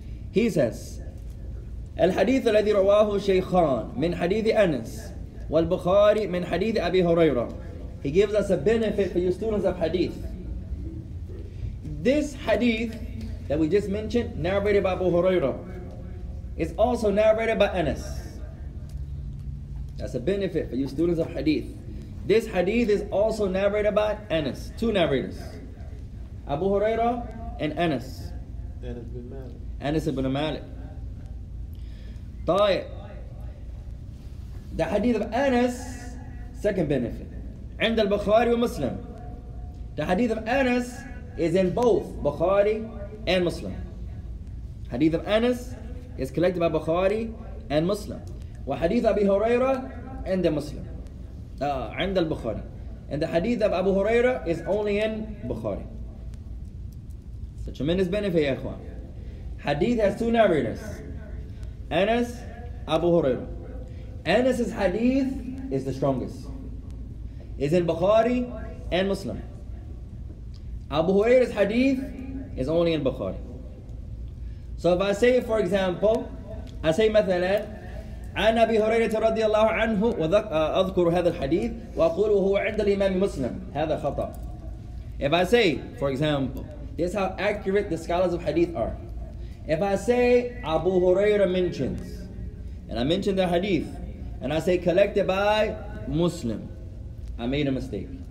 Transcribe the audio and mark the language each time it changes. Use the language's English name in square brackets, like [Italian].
[English] He says, [Arabic] الحديث الذي رواه شيخان من حديث أنس والبخاري من حديث أبي هريرة. [English] He gives us a benefit for you students of hadith. This hadith that we just mentioned, narrated by Abu Huraira, is also narrated by Anas. That's a benefit for you students of hadith. This hadith is also narrated by Anas. Two narrators, Abu Huraira and Anas. Anas ibn Malik. Anas ibn Malik. طيب. The hadith of Anas, second benefit. [Arabic] عند البخاري ومسلم. [English] The hadith of Anas is in both Bukhari and Muslim. Hadith of Anas is collected by Bukhari and Muslim. [Arabic] وحديث أبي هريرة [English] and the Muslim. [Arabic] عند البخاري. [English] And the hadith of Abu Huraira is only in Bukhari. It's a tremendous benefit, ya ikhwan. Hadith has two narrators. Anas, Abu Huraira. Anas's hadith is the strongest. It's in Bukhari and Muslim. Abu Huraira's hadith is only in Bukhari. So if I say, [Arabic] for example, I say, مثلاً, عن أبي هريرة رضي الله عنه وأذكر هذا الحديث وأقول وهو عند الإمام مسلم, هذا خطأ. [English] If I say, for example, this is how accurate the scholars of hadith are. If I say Abu Huraira mentions, and I mention the hadith, and I say collected by Muslim, I made a mistake.